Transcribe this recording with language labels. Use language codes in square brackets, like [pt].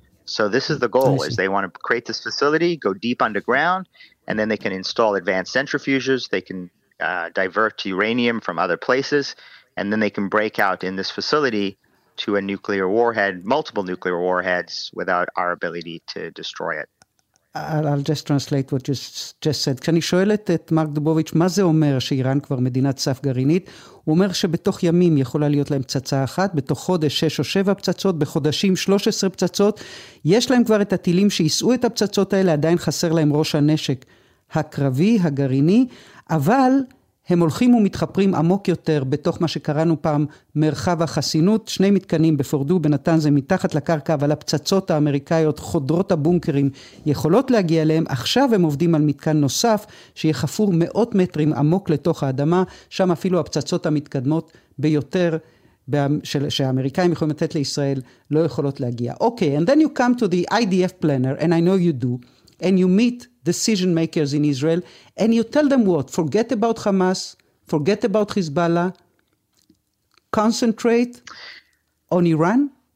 [en] So this is the goal, is they want to create this facility, go deep underground, and then they can install advanced centrifuges, they can divert uranium from other places, and then they can break out in this facility to a nuclear warhead, multiple nuclear warheads, without our ability to destroy it. I'll just translate what you just said. [he] כשאני שואלת את מרק דובוביץ' מה זה אומר שאיראן כבר מדינת סף גרעינית, הוא אומר שבתוך ימים יכולה להיות להם פצצה אחת, בתוך חודש 6 או 7 פצצות, בחודשים 13 פצצות, יש להם כבר את הטילים שיסעו את הפצצות האלה, עדיין חסר להם ראש הנשק הקרבי, הגרעיני, אבל הם הולכים ומתחפרים עמוק יותר בתוך מה שקראנו פעם מרחב החסינות, שני מתקנים בפורדו בנתן זה מתחת לקרקע, אבל הפצצות האמריקאיות, חודרות הבונקרים יכולות להגיע אליהם, עכשיו הם עובדים על מתקן נוסף שיהיה חפור מאות מטרים עמוק לתוך האדמה, שם אפילו הפצצות המתקדמות ביותר שהאמריקאים יכולים לתת לישראל לא יכולות להגיע. [en] Okay, and then you come to the IDF planner, and I know you do, and you meet decision makers in Israel, and you tell them what? Forget about Hamas, forget about Hezbollah, concentrate on Iran?